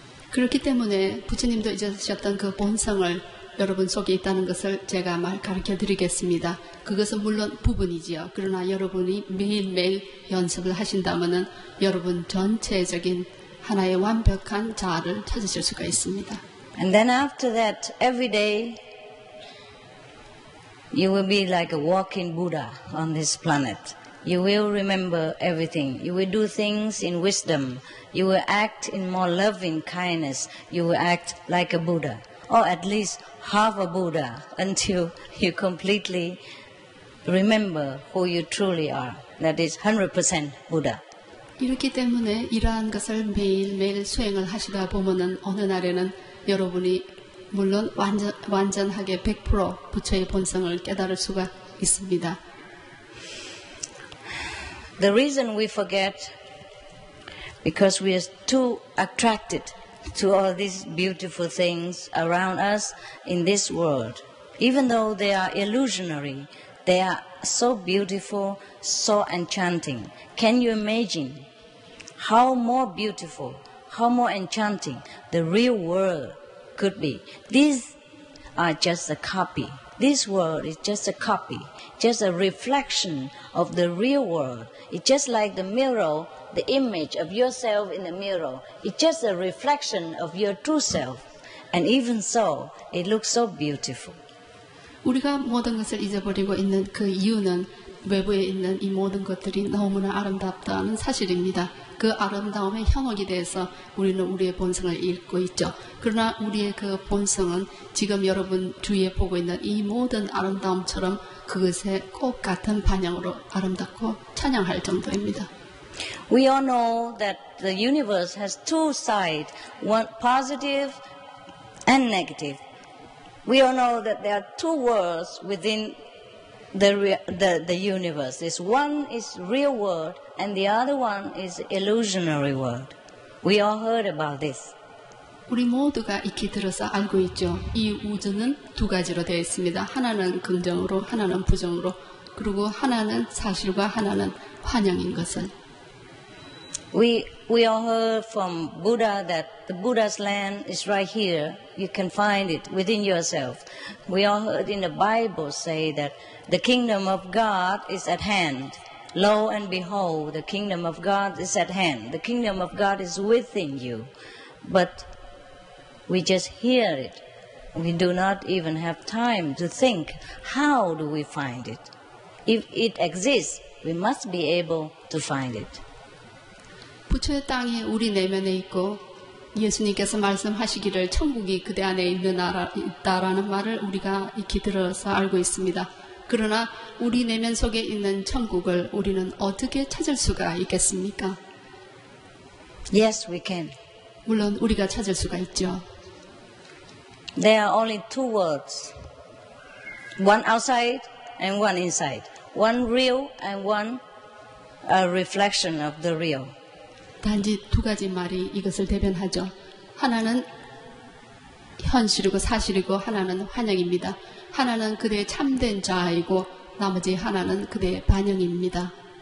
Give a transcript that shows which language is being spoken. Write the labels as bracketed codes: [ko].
[ko] 그렇기 때문에 부처님도 잊으셨던 그 본성을 여러분 속에 있다는 것을 제가 말 가르쳐 드리겠습니다. 그것은 물론 부분이지요. 그러나 여러분이 매일매일 연습을 하신다면은 여러분 전체적인 하나의 완벽한 자아를 찾으실 수가 있습니다. [en] And then after that, every day you will be like a walking Buddha on this planet. You will remember everything. You will do things in wisdom. You will act in more loving kindness. You will act like a Buddha. Or at least half a Buddha until you completely remember who you truly are. That is 100% Buddha. [ko] 이렇기 때문에 이러한 것을 매일매일 수행을 하시다 보면은 어느 날에는 여러분이 물론 완전하게 100% 부처의 본성을 깨달을 수가 있습니다. [en] The reason we forget because we are too attracted to all these beautiful things around us in this world. Even though they are illusionary, they are so beautiful, so enchanting. Can you imagine how more beautiful, how more enchanting the real world could be? These are just a copy. This world is just a copy, just a reflection of the real world. It's just like the mirror, the image of yourself in the mirror. It's just a reflection of your true self. And even so, it looks so beautiful. [ko] 우리가 모든 것을 잊어버리고 있는 그 이유는 외부에 있는 이 모든 것들이 너무나 아름답다는 사실입니다. 그 아름다움의 현혹이 돼서 우리는 우리의 본성을 잃고 있죠. 그러나 우리의 그 본성은 지금 여러분 주위에 보고 있는 이 모든 아름다움처럼 그것의 꽃 같은 반향으로 아름답고 찬양할 정도입니다. [en] We all know that the universe has two sides, one positive and negative. We all know that there are two worlds within the universe. This one is real world and the other one is illusionary world. We all heard about this. [ko] 우리 모두가 익히 들어서 알고 있죠. 이 우주는 두 가지로 되어 있습니다. 하나는 긍정으로, 하나는 부정으로. 그리고 하나는 사실과 하나는 환영인 것은. [en] We all heard from Buddha that the Buddha's land is right here. You can find it within yourself. We all heard in the Bible say that the kingdom of God is at hand. Lo and behold, the kingdom of God is at hand. The kingdom of God is within you. But we just hear it. We do not even have time to think, how do we find it? If it exists, we must be able to find it. [ko] 부처의 땅이 우리 내면에 있고 예수님께서 말씀하시기를 천국이 그대 안에 있는 나라 있다라는 말을 우리가 익히 들어서 알고 있습니다. 그러나 우리 내면 속에 있는 천국을 우리는 어떻게 찾을 수가 있겠습니까? [en] Yes, we can. [ko] 물론 우리가 찾을 수가 있죠. [en] There are only two worlds. One outside and one inside. One real and one a reflection of the real. [ko] 단지 두 가지 말이 이것을 대변하죠. 하나는 현실이고 사실이고 하나는 환영입니다. 하나는 그대의 참된 자아이고 나머지 하나는 그대의 반영입니다.